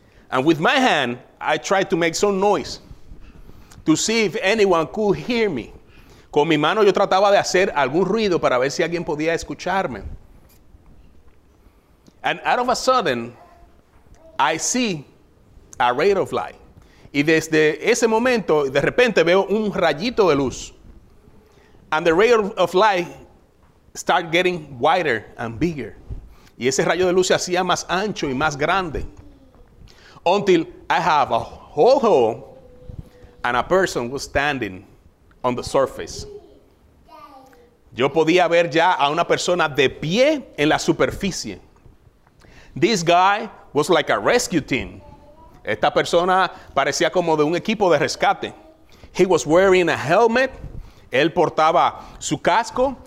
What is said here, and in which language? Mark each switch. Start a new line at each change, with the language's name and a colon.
English: And with my hand, I tried to make some noise to see if anyone could hear me.
Spanish: Con mi mano yo trataba de hacer algún ruido para ver si alguien podía escucharme.
English: And out of a sudden, I see a ray of light.
Spanish: Y desde ese momento, de repente veo un rayito de luz.
English: And the ray of light start getting wider and bigger.
Spanish: Y ese rayo de luz se hacía más ancho y más grande.
English: Until I have a whole hole and a person was standing on the surface.
Spanish: Yo podía ver ya a una persona de pie en la superficie.
English: This guy was like a rescue team.
Spanish: Esta persona parecía como de un equipo de rescate.
English: He was wearing a helmet. Él portaba su casco.